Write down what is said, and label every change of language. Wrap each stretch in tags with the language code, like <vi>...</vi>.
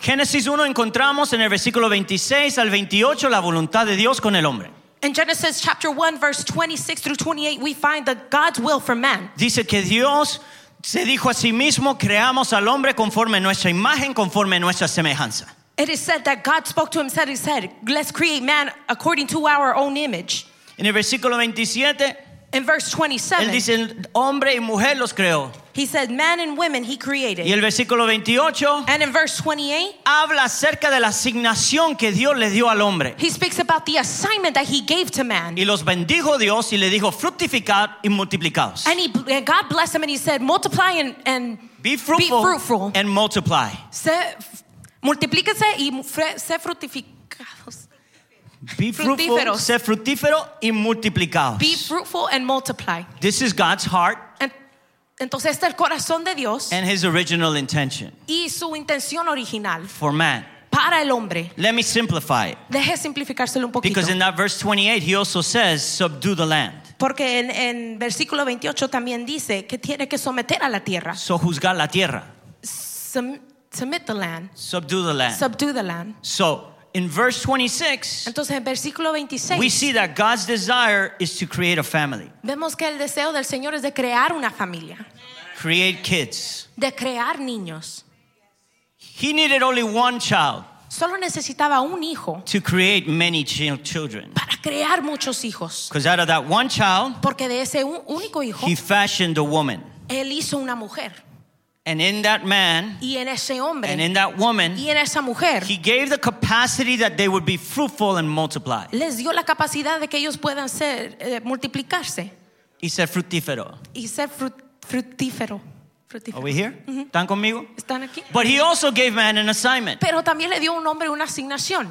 <es>Génesis 1 encontramos en el versículo 26 al 28 la voluntad de Dios con el hombre.</es> <en>In Genesis chapter 1 verse 26 through 28 we find the God's will for man.</en> <es>Dice que Dios se dijo a sí mismo, creamos al hombre conforme nuestra imagen, conforme nuestra semejanza.</es> <en>It is said that God spoke to himself and said, let's create man according to our own image.</en> <es>En el versículo 27,</es> <en>in verse 27,</en> <es>él dice, hombre y mujer los creó.</es> <en>He said, man and women he created.</en> <es>Y el versículo 28,</es> <en>and in verse 28,</en> <es>habla acerca de la asignación que Dios le dio al hombre.</es> <en>He speaks about the assignment that he gave to man.</en> <es>Y los bendijo Dios y le dijo, fructificad y multiplicaos.</es> <en>And God blessed him and he said, multiply and be fruitful, be fruitful. And multiply.</en> <es>Multiplíquese y sé fructificados.</es> <en>Be fruitful,</en> <es>sé fructífero y multiplicaos.</es> <en>Be fruitful and multiply. This is God's heart.</en> <es>Entonces este es el corazón de Dios.</es> <en>And his original intention.</en> <es>Y su intención original.</es> <en>For man.</en> <es>Para el hombre.</es> <en>Let me simplify it.</en> <es>Deje simplificárselo un poquito.</es> <en>Because in that verse 28 he also says subdue the land.</en> <es>Porque en versículo 28 también dice que tiene que someter a la tierra. So juzgar la tierra.</es> <en>Submit the land. Subdue the land. Subdue the land. So in verse 26,</en> <es>entonces, en versículo 26,</es> <en>we see that God's desire is to create a family.</en> <es>Vemos que el deseo del Señor es de crear una familia.</es> <en>Create kids.</en> <es>De crear niños.</es> <en>He needed only one child.</en> <es>Solo necesitaba un hijo.</es> <en>To create many children.</en> <es>Para crear muchos hijos.</es> <en>Because out of that one child,</en> <es>porque de ese único hijo,</es> <en>he fashioned a woman.</en> <es>Él hizo una mujer.</es> <en>And in that man,</en> <es>y en ese hombre,</es> <en>and in that woman,</en> <es>y en esa mujer,</es> <en>he gave the capacity that they would be fruitful and multiply.</en> <es>Les dio la capacidad de que ellos puedan ser multiplicarse. Y ser fructífero. Y ser fructífero.</es> <en>Are we here? Mm-hmm.</en> <es>¿Están conmigo? ¿Están aquí?</es> <en>But he also gave man an assignment.</en> <es>Pero también le dio un hombre una asignación.</es>